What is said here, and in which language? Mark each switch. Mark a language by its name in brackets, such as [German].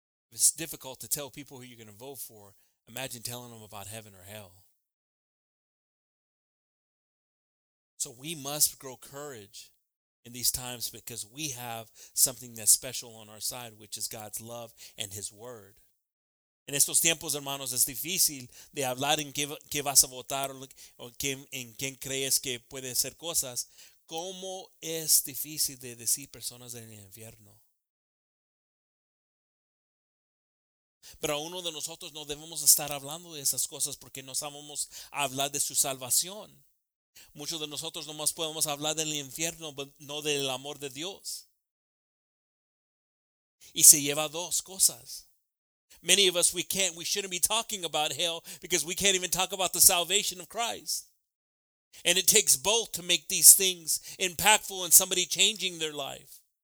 [English] If it's difficult to tell people who you're going to vote for, imagine telling them about heaven or hell. So we must grow courage in these times because we have something that's special on our side, which is God's love and his word. [Spanish] En estos tiempos, hermanos, es difícil de hablar en qué vas a votar o en quién crees que puede hacer cosas. ¿Cómo es difícil de decir personas en el infierno? Pero a uno de nosotros no debemos estar hablando de esas cosas porque no sabemos hablar de su salvación. Muchos de nosotros nomás podemos hablar del infierno, pero no del amor de Dios. Y se lleva dos cosas. [English] Many of us, we shouldn't be talking about hell because we can't even talk about the salvation of Christ. And it takes both to make these things impactful in somebody changing their life.